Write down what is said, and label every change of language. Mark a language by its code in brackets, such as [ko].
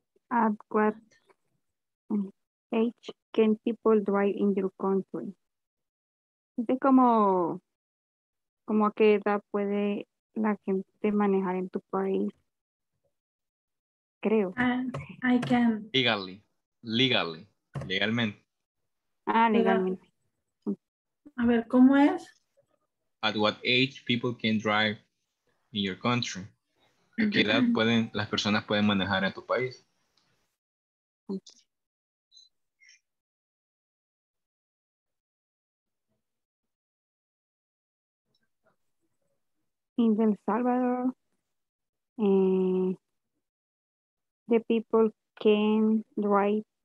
[en] at what age can people drive in your country? [es] ¿De cómo? ¿Cómo a qué edad puede la gente manejar en tu país? Creo. [en] I can. Legally. Legally. [es] Legalmente. Ah, legalmente. A ver, ¿cómo es? [en] At what age people can drive in your country? [es] ¿A qué edad pueden, las personas pueden manejar en tu país? [en] In El Salvador, the people can drive.